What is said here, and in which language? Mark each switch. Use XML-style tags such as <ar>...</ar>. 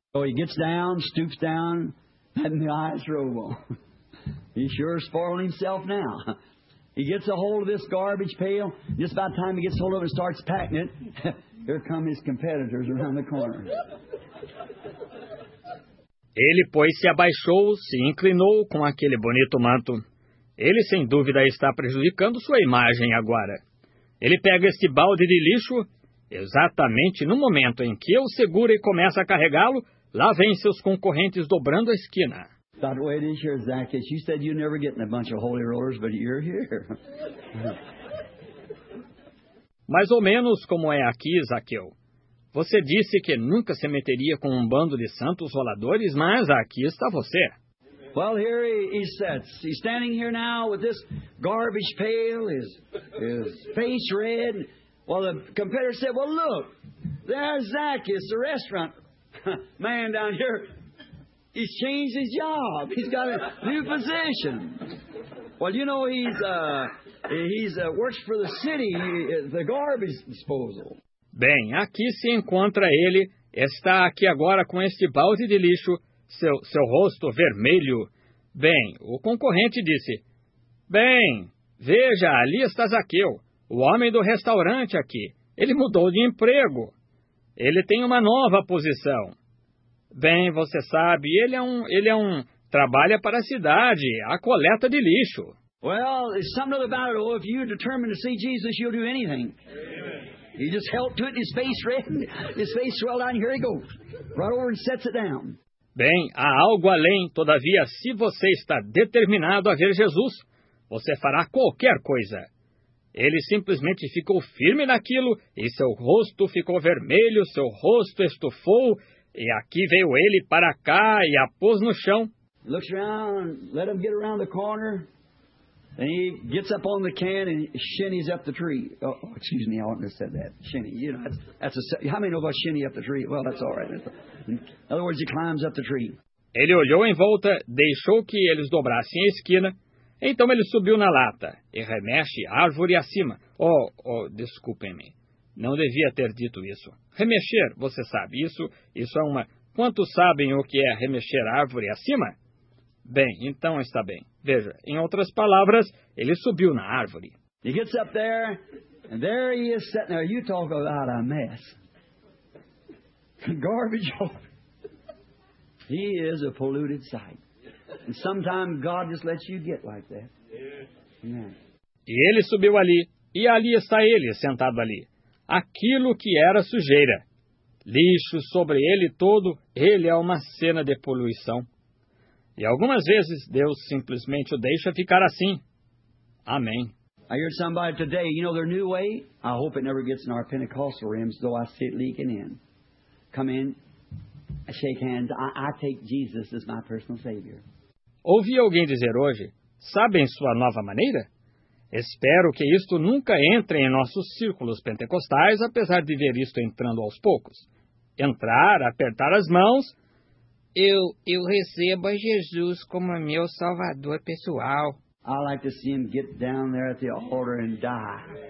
<en>So he gets down, stoops down, and the eyes roll. He sure is spoiling himself now. He gets a hold of this garbage pail. Just about time he gets a hold of it and starts packing it. Here come his competitors around the corner.</en> <pt>Ele, pois, se abaixou, se inclinou com aquele bonito manto. Ele, sem dúvida, está prejudicando sua imagem agora. Ele pega este balde de lixo, exatamente no momento em que eu seguro e começa a carregá-lo, lá vem seus concorrentes dobrando a esquina.</pt> <en>That way it is here, Zacchaeus. You said you'd never get in a bunch of holy rollers, but you're here.</en> <pt>Mais ou menos como é aqui, Zaqueu. Você disse que nunca se meteria com um bando de santos roladores, mas aqui está você.</pt> <en>Well, here he sits. He's standing here now with this garbage pail, his face red. Well, the competitor said, well, look, there's Zacchaeus, the restaurant man down here. He's changed his job. He's got a new position. Well, you know, works for the city, the garbage disposal.</en> <pt>Bem, aqui se encontra ele, está aqui agora com este balde de lixo, seu rosto vermelho. Bem, o concorrente disse, bem, veja, ali está Zaqueu, o homem do restaurante aqui. Ele mudou de emprego. Ele tem uma nova posição. Bem, você sabe, ele trabalha para a cidade, a coleta de lixo.</pt> <en>Well, it's something about it. Oh, if you're determined to see Jesus, you'll do anything. He just held to it, his face red, his face swelled out, and here he goes, right over and sets it down.</en> <pt>Bem, há algo além, todavia, se você está determinado a ver Jesus, você fará qualquer coisa. Ele simplesmente ficou firme naquilo, e seu rosto ficou vermelho, seu rosto estufou, e aqui veio ele para cá e a pôs no chão.</pt> <en>Looks around, let him get around the corner. And he gets up on the can and shinnies up the tree. Oh, excuse me, I oughtn't have said that. Shinny, you know, how many know about shinny up the tree? Well, that's all right. In other words, he climbs up the tree.</en> <pt>Ele olhou em volta, deixou que eles dobrassem a esquina. Então ele subiu na lata e remexe árvore acima. Oh, desculpem-me. Não devia ter dito isso. Remexer, você sabe isso? Isso é uma... Quantos sabem o que é remexer árvore acima? Bem, então está bem. Veja, em outras palavras, ele subiu na árvore.</pt> <en>He gets up there, and there he is sitting there. You talk about a mess. Garbage. He is a polluted sight. And sometimes God just lets you get like that. Amen.</en> <pt>E ele subiu ali, e ali está ele, sentado ali. Aquilo que era sujeira. Lixo sobre ele todo, ele é uma cena de poluição. E algumas vezes, Deus simplesmente o deixa ficar assim. Amém.</pt> <en>I heard somebody today, you know their new way? I hope it never gets in our Pentecostal rims, though I see it leaking in. Come in, I shake hands, I take Jesus as my personal Savior.</en> <pt>Ouvi alguém dizer hoje, sabem sua nova maneira? Espero que isto nunca entre em nossos círculos pentecostais, apesar de ver isto entrando aos poucos. Entrar, apertar as mãos... Eu recebo a Jesus como meu salvador pessoal.</pt> <en>I like to see him get down there at the altar and die.</en>